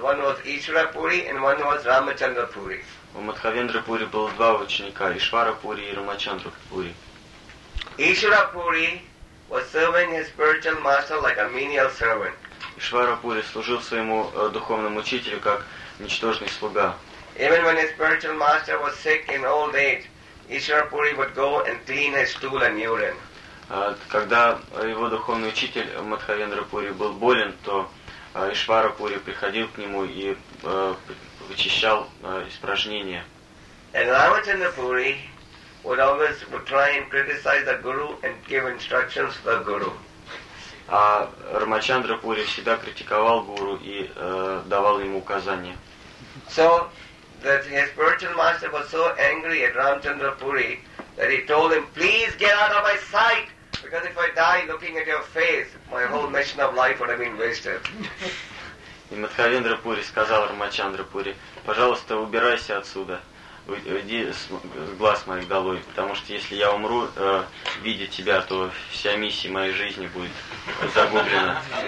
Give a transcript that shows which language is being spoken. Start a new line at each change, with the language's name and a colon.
English: One was Ishwara Puri and one was Ramachandra Puri.
Russian: У Мадхавендры Пури было два ученика, Ишвара Пури и Рамачандра Пури.
English: Ишвара Пури was serving his spiritual master like a menial servant.
Russian: Ишвара Пури служил своему духовному учителю как ничтожный слуга.
English: Even when his spiritual master was sick in old age, Ишвара Пури would go and clean his stool and urine.
Russian: Когда его духовный учитель Мадхавендра Пури был болен, то Ишвара Пури приходил к нему и вычищал испражнения.
English: And Ramachandra Puri would try and criticize the guru and give instructions to the guru.
Russian: А Рамачандра Пури всегда критиковал гуру и давал ему указания.
English: So that his spiritual master was so angry at Ramachandra Puri that he told him, "Please get out of my sight, because if I die looking at your face, my whole mission of life would have been wasted."
Russian: И Мадхавендра Пури сказал Рамачандра Пури: пожалуйста, убирайся отсюда, уйди с глаз моих долой, потому что если я умру, видя тебя, то вся миссия моей жизни будет загублена.